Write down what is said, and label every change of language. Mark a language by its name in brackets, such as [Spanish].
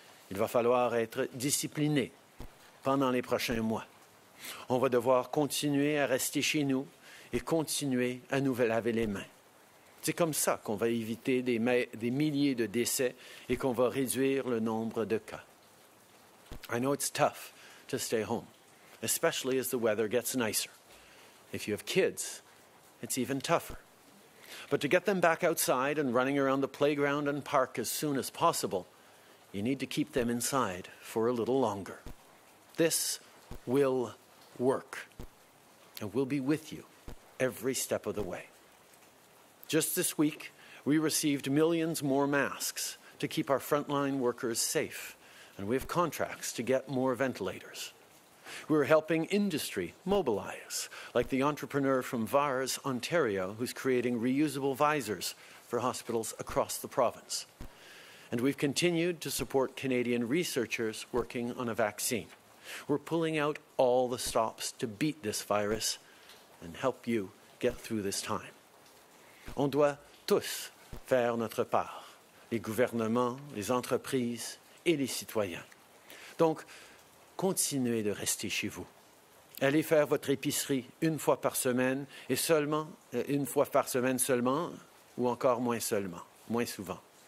[French] Il va falloir être discipliné pendant les prochains mois. On va devoir continuer à rester chez nous et continuer à nous laver les mains. C'est comme ça qu'on va éviter des milliers de décès et qu'on va réduire le nombre de cas. [English] I know it's tough to stay home, especially as the weather gets nicer. If you have kids, it's even tougher. But to get them back outside and running around the playground and park as soon as possible, you need to keep them inside for a little longer. This will work, and we'll be with you every step of the way. Just this week, we received millions more masks to keep our frontline workers safe, and we have contracts to get more ventilators. We're helping industry mobilize, like the entrepreneur from VARS, Ontario, who's creating reusable visors for hospitals across the province. And we've continued to support Canadian researchers working on a vaccine. We're pulling out all the stops to beat this virus and help you get through this time. [French] On doit tous faire notre part, les gouvernements, les entreprises et les citoyens. Donc, continuez de rester chez vous. Allez faire votre épicerie une fois par semaine et seulement, une fois par semaine seulement, ou encore moins seulement, moins souvent.